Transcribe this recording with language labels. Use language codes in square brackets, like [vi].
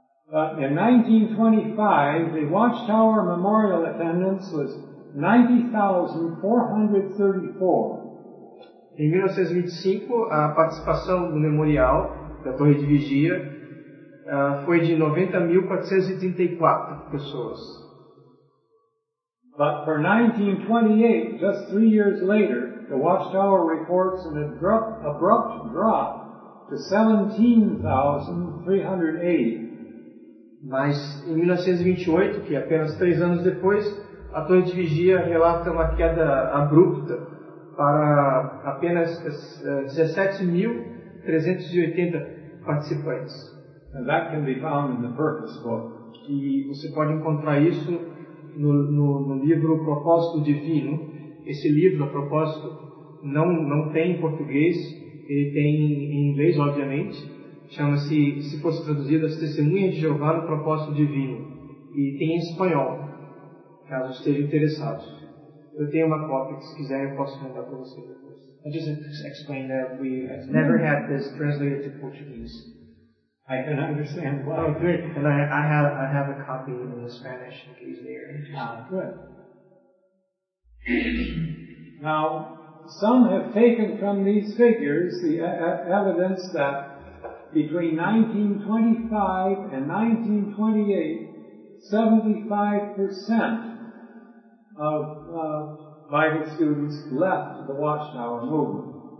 [en] But in 1925, the Watchtower Memorial attendance was 90,434. [pt] Em 1925, a participação no memorial da Torre de Vigia foi de 90,434 pessoas. [en] But for 1928, just 3 years later, the Watchtower reports an abrupt drop to 17,380. [pt] Mas em 1928, que é apenas 3 anos depois, a Torre de Vigia relata uma queda abrupta para apenas 17,380 participantes. [en] And that can be found in the Purpose Book. [pt] E você pode encontrar isso no livro Propósito Divino. Esse livro, a propósito, não tem em português, ele tem em inglês, obviamente, chama-se, se fosse traduzido, As Testemunhas de Jeová no Propósito Divino, e tem em espanhol, caso esteja interessado. Eu tenho uma cópia, se quiser eu posso mandar para você depois. [en] I just explained that we have never had this translated to Portuguese. I can understand why. Oh, good. And I have a copy in the Spanish in case they are interested. Good. Now, some have taken from these figures the evidence that between 1925 and 1928, 75% of Bible students left the Watchtower movement.